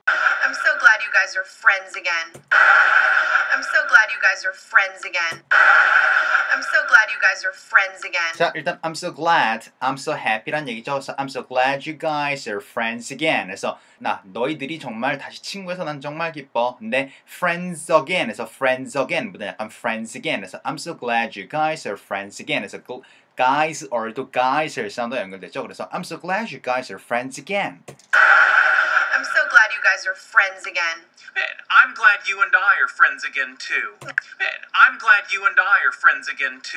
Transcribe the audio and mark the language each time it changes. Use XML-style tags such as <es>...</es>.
<en>I'm so glad you guys are friends again. I'm so glad you guys are friends again. I'm so glad you guys are friends again.</en> <ko>자, 일단</ko> <en>I'm so glad, I'm so happy</en> <ko>란 얘기죠.</ko> <en>So I'm so glad you guys are friends again.</en> <ko>그래서 나 너희들이 정말 다시 친구해서 난 정말 기뻐.</ko> <en>근데 friends again, 그래서 friends again,</en> <ko>근데 약간</ko> <en>friends again, 그래서 I'm so glad you guys are friends again. 그래서 그 guys or 또 guys</en> <ko>사운드 연결됐죠. 그래서</ko> <en>I'm so glad you guys are friends again. I'm so glad you guys. guys are friends again. I'm glad you and I are friends again too. I'm glad you and I are friends again too.</en>